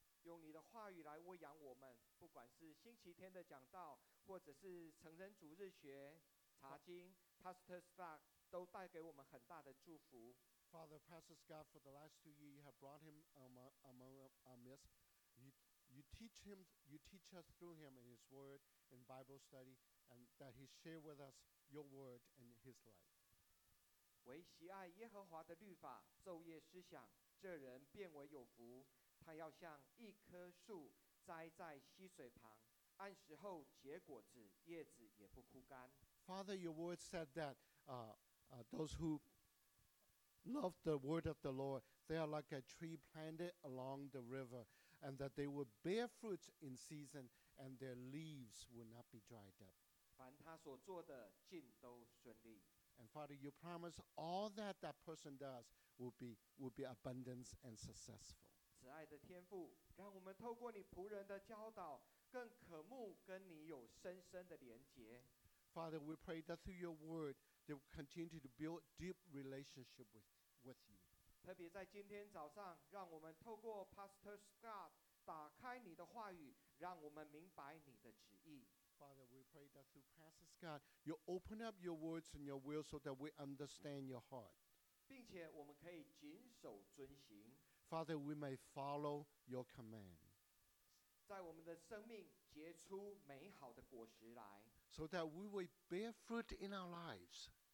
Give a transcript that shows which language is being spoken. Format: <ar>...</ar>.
<zh>用你的话语来喂养我们，不管是星期天的讲道，或者是成人主日学查经 ，Pastor Scott 都带给我们很大的祝福。</zh> <en>Father, Pastor Scott, for the last 2 years you have brought him among us. You teach us through him in his word. In Bible study, and that he shared with us your word and his life.</en> <zh>唯喜爱耶和华的律法，昼夜思想，这人变为有福。他要像一棵树栽在溪水旁，按时后结果子，叶子也不枯干。</zh> <en>Father, your word said that those who love the word of the Lord, they are like a tree planted along the river, and that they will bear fruit in season. And their leaves will not be dried up.</en> <zh>凡他所做的尽都顺利。</zh> <en>And Father, you promise all that that person does will be abundance and successful.</en> <zh>慈爱的天父，让我们透过你仆人的教导，更渴慕跟你有深深的连结。</zh> <en>Father, we pray that through your word, they will continue to build deep relationship with you.</en> <zh>特别在今天早上，让我们透过 Pastor Scott 打开你的话语。让我们明白你的旨意。</zh> <en>Father, we pray that through Pastor Scott, you open up your words and your will so that we understand your heart.</en> <zh>并且我们可以谨守遵行。</zh> <en>Father, we may follow your command.</en> <zh>在我们的生命结出美好的果实来。</zh> <en>So that we will bear fruit in our lives.</en>